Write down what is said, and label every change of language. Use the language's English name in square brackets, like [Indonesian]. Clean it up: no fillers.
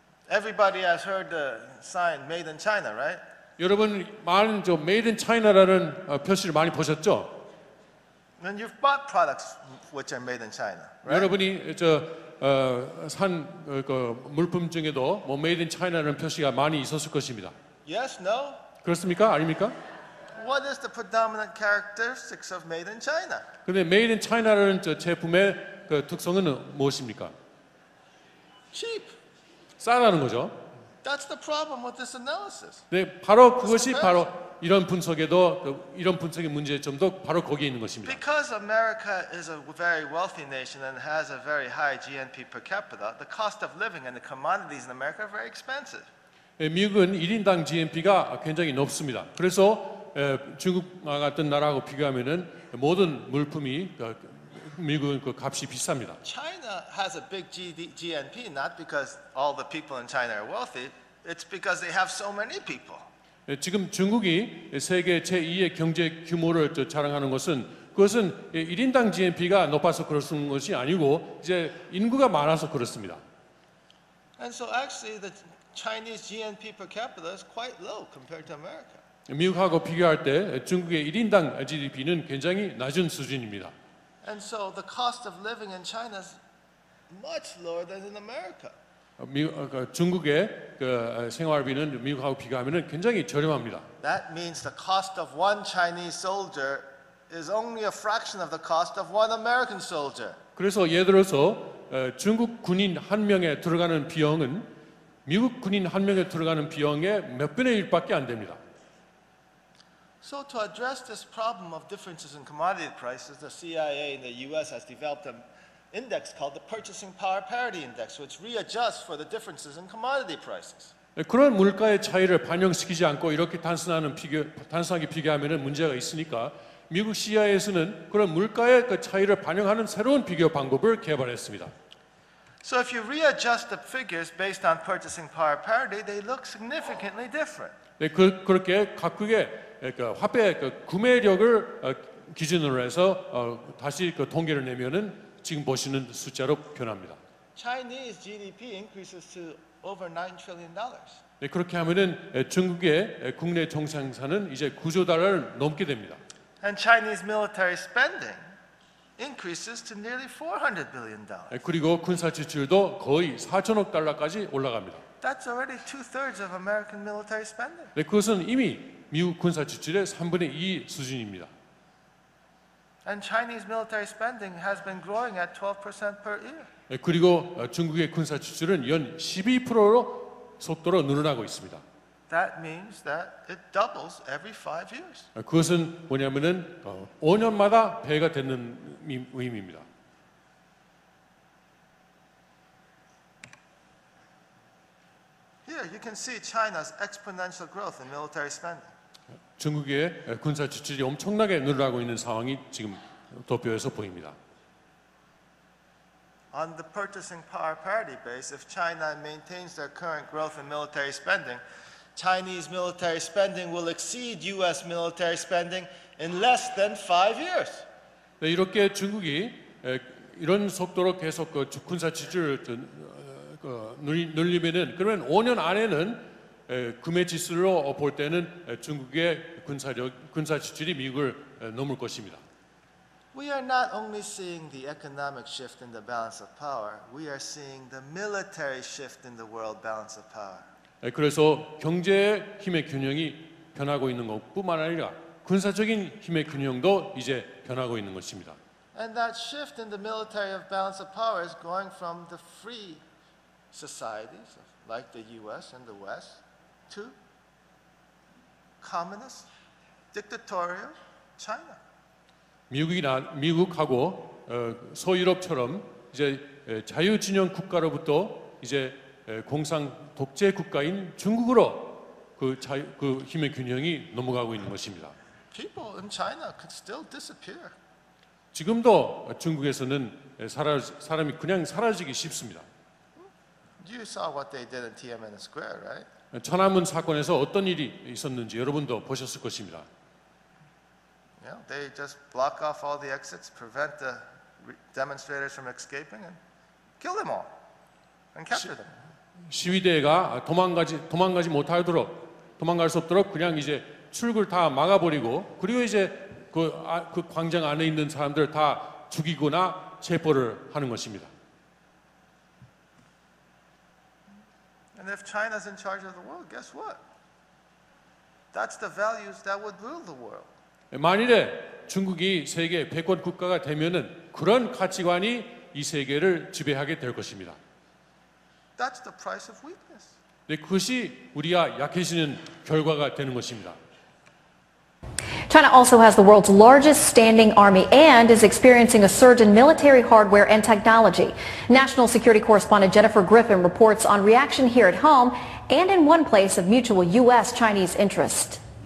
[English] Everybody has heard the sign made in China, right? [Korean] 여러분 많은 저 [English] made in China [Korean] 라는 표시를 많이 보셨죠? [English] And you've bought products which are made in China, right? [Korean] 여러분이 저 산 그 물품 중에도 뭐 [English] made in China [Korean] 라는 표시가 많이 있었을 것입니다. [English] Yes, no? [Korean] 그렇습니까? 아닙니까? [English] What is the predominant characteristics of made in China? [Korean] 근데 [English] made in China [Korean] 라는 저 제품의 그 특성은 무엇입니까? [English] Cheap. [Korean] 싸다는 거죠. [English] That's the problem with this analysis. [Korean] 네, 바로 this 그것이 comparison. 바로 이런 분석에도 이런 분석의 문제점도 바로 거기에 있는 것입니다. [English] Because America is a very wealthy nation and has a very high GNP per capita, the cost of living and the commodities in America are very expensive. [Korean] 미국은 1인당 GNP가 굉장히 높습니다. 그래서 중국 같은 나라하고 비교하면은 모든 물품이 미국은 그 값이 비쌉니다. [English] China has a big GNP not because all the people in China are wealthy. It's because they have so many people. [Korean] 지금 중국이 세계 제2의 경제 규모를 자랑하는 것은 그것은 1인당 GNP가 높아서 그런 것이 아니고 이제 인구가 많아서 그렇습니다. [English] And so actually the Chinese GNP per capita is quite low compared to America. [Korean] 미국하고 비교할 때 중국의 1인당 GDP는 굉장히 낮은 수준입니다. [English] And so the cost of living in China is much lower than in America. [Korean] 중국의 그 생활비는 미국하고 비교하면 굉장히 저렴합니다. [English] That means the cost of one Chinese soldier is only a fraction of the cost of one American soldier. [Korean] 그래서 예를 들어서 중국 군인 한 명에 들어가는 비용은 미국 군인 한 명에 들어가는 비용의 몇 분의 1밖에 안 됩니다. [English] So to address this problem of differences in commodity prices, the CIA in the U.S. has developed an index called the Purchasing Power Parity Index, which readjusts for the differences in commodity prices. [Korean] 그런 물가의 차이를 반영시키지 않고 이렇게 단순하게 비교하면 문제가 있으니까 미국 CIA에서는 그런 물가의 그 차이를 반영하는 새로운 비교 방법을 개발했습니다. [English] So if you readjust the figures based on purchasing power parity, they look significantly different. [Korean] 네, 그렇게 각국의 그 화폐 그 구매력을 기준으로 해서 다시 그 통계를 내면은 지금 보시는 숫자로 변합니다. [English] Chinese GDP increases to over $9 trillion. [Korean] 네, 그렇게 하면은 중국의 국내 총생산은 이제 9조 달러를 넘게 됩니다. [English] And Chinese military spending increases to nearly $400 billion. [Korean] 그리고 군사 지출도 거의 4천억 달러까지 올라갑니다. [English] That's already two-thirds of American military spending. [Korean] 네, 그것은 이미 미국 군사 지출의 3분의 2 수준입니다. [English] And Chinese military spending has been growing at 12% per year. [Korean] 그리고 중국의 군사 지출은 연 12%로 속도로 늘어나고 있습니다. [English] That means that it doubles every 5 years. [Korean] 그것은 뭐냐면은 5년마다 배가 되는 의미입니다. [English] Here you can see China's exponential growth in military spending. [Korean] 중국의 군사 지출이 엄청나게 늘어나고 있는 상황이 지금 도표에서 보입니다. [English] On the purchasing power parity base, if China maintains their current growth in military spending, Chinese military spending will exceed U.S. military spending in less than 5 years. [Korean] 네, 이렇게 중국이 이런 속도로 계속 그 군사 지출을 늘리면은 그러면 5년 안에는 구매 지수로 볼 때는 중국의 군사 지출이 미국을 넘을 것입니다. [English] We are not only seeing the economic shift in the balance of power, we are seeing the military shift in the world balance of power. [Korean] 그래서 경제 힘의 균형이 변하고 있는 것뿐만 아니라 군사적인 힘의 균형도 이제 변하고 있는 것입니다. [English] And that shift in the military of balance of power is going from the free societies like the U.S. and the West. To communist, dictatorial China. [Korean] 미국하고 서유럽처럼 이제 자유 진영 국가로부터 이제 공산 독재 국가인 중국으로 그 힘의 균형이 넘어가고 있는 것입니다. [English] People in China could still disappear. [Korean] 지금도 중국에서는 사람이 그냥 사라지기 쉽습니다. [English] You saw what they did in Tiananmen Square, right? [Korean] 천안문 사건에서 어떤 일이 있었는지 여러분도 보셨을 것입니다. [English] Yeah, they just block off all the exits, prevent the demonstrators from escaping, and kill them all and capture them. [Korean] 시위대가 도망가지 못하도록 도망갈 수 없도록 그냥 이제 출구를 다 막아버리고 그리고 이제 그 광장 안에 있는 사람들을 다 죽이거나 체포를 하는 것입니다. [English] And if China's in charge of the world, guess what? That's the values that would rule the world. [Korean] 만일에 중국이 세계 패권 국가가 되면은 그런 가치관이 이 세계를 지배하게 될 것입니다. [English] That's the price of weakness. [Korean] 네, 그것이 우리가 약해지는 결과가 되는 것입니다. [English] China also has the world's largest standing army and is experiencing a surge in military hardware and technology. National Security Correspondent Jennifer Griffin reports on reaction here at home and in one place of mutual U.S.-Chinese interest.